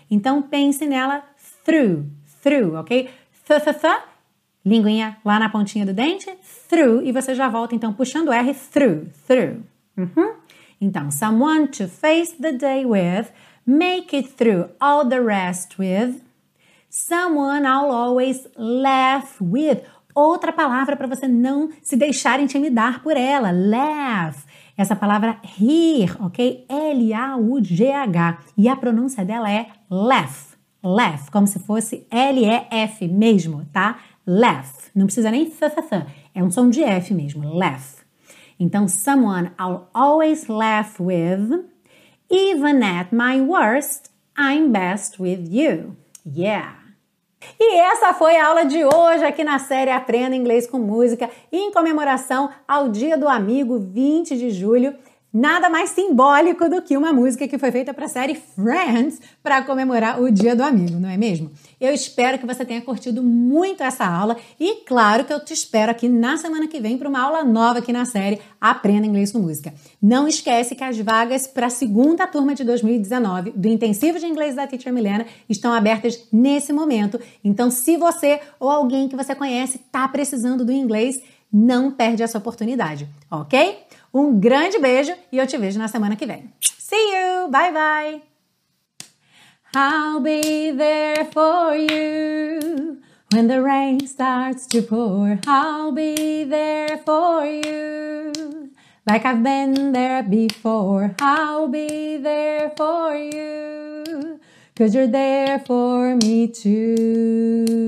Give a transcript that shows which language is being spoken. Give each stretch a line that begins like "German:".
Portuguese: Então, pense nela through. Through, ok? Th-th-th, linguinha lá na pontinha do dente. Through, e você já volta, então, puxando R, through, through. Uhum. Então,
English: someone to face the day with, make it through all the rest with, someone I'll always laugh with.
Portuguese: Outra palavra para você não se deixar intimidar por ela, laugh. Essa palavra rir, ok? L-A-U-G-H, e a pronúncia dela é laugh. Laugh, como se fosse L-E-F mesmo, tá? Laugh. Não precisa nem th-th-th. É um som de F mesmo. Laugh. Então,
English: someone I'll always laugh with. Even at my worst, I'm best with you. Yeah.
Portuguese: E essa foi a aula de hoje aqui na série Aprenda Inglês com Música em comemoração ao Dia do Amigo, 20 de julho. Nada mais simbólico do que uma música que foi feita para a série Friends para comemorar o Dia do Amigo, não é mesmo? Eu espero que você tenha curtido muito essa aula e claro que eu te espero aqui na semana que vem para uma aula nova aqui na série Aprenda Inglês com Música. Não esquece que as vagas para a segunda turma de 2019 do Intensivo de Inglês da Teacher Milena estão abertas nesse momento. Então, se você ou alguém que você conhece está precisando do inglês, não perde essa oportunidade, ok? Um grande beijo e eu te vejo na semana que vem.
English: See you! Bye, bye! I'll be there for you when the rain starts to pour. I'll be there for you like I've been there before. I'll be there for you 'cause you're there for me too.